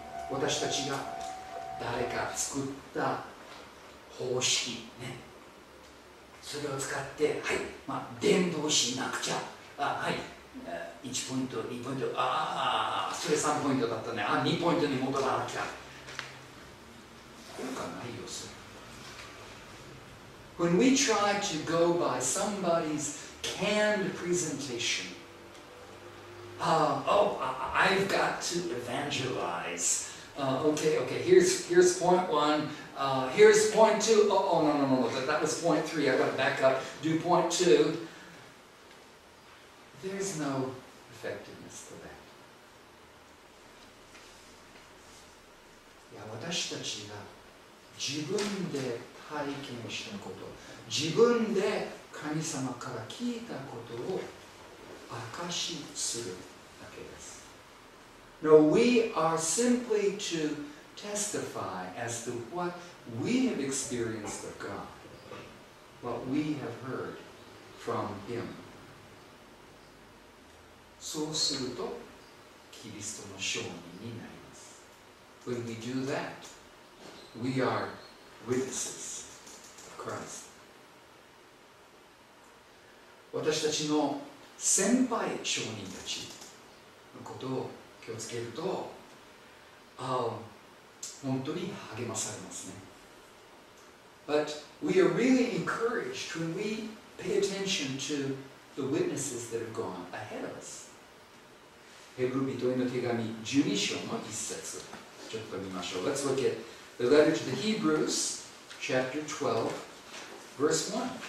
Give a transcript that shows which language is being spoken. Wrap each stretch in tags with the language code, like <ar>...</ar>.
<ja>私たちが誰か作った方式ね、それを使って、はい、まあ、伝道しなくちゃ、あ、はい、1ポイント、2ポイント、ああ、それ3ポイントだったね、あ、2ポイントに戻らなきゃ、効果ないよ、それ。</ja> <en>When we try to go by somebody's canned presentation, I've got to evangelize. Okay, here's point one. Here's point two. No, that was point three. I've got to back up, do point two. There's no effectiveness to that.</en> <ja>Yeah, 私たちが自分で体験したこと、自分で神様から聞いたことを証しするだけです。</ja> <en>No, we are simply to testify as to what we have experienced of God, what we have heard from Him.</en> <ja>そうすると、キリストの証人になります。</ja> <en>When we do that, we are witnesses of Christ.</en> <ja>私たちの先輩証人たちのことを気をつけると、本当に励まされますね。</ja> <en>But we are really encouraged when we pay attention to the witnesses that have gone ahead of us.</en> <ja>ヘブル人への手紙12章の1節ちょっと見ましょう。</ja> <en>Let's look at the letter to the Hebrews, chapter 12, verse 1.</en>